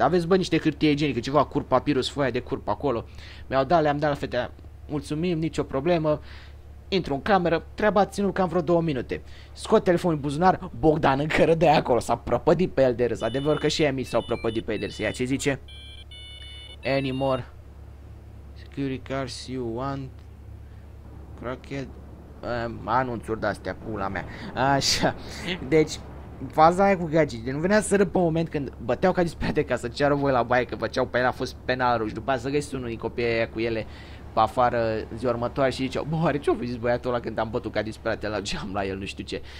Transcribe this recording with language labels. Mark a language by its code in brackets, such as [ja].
[ro] Aveți, bă, niște hârtie igienică, ceva, curp, papirus, foaia de curp acolo. Mi-au dat, le-am dat la fetea, mulțumim, nicio problemă. Intru în cameră, treaba a ținut cam vreo 2 minute. Scot telefonul în buzunar, Bogdan încă râdea acolo, s-a prăpădit pe el de râs. Adevăr că și ei mi s-au prăpădit pe el de râs. Ia ce zice? [en] Any more security cards you want? [ro] Crooked? Anunțuri de-astea, pula mea. Așa, deci faza aia cu gadget, nu venea să râd pe moment când băteau ca disperate ca să ceară voi la baie, că făceau pe el, a fost penal ruși. După aia să găsi unul din copiii aia cu ele pe afară ziua următoare și ziceau: bă, oare ce-o zis băiatul ăla când am bătut ca disperat la geam la el, nu știu ce.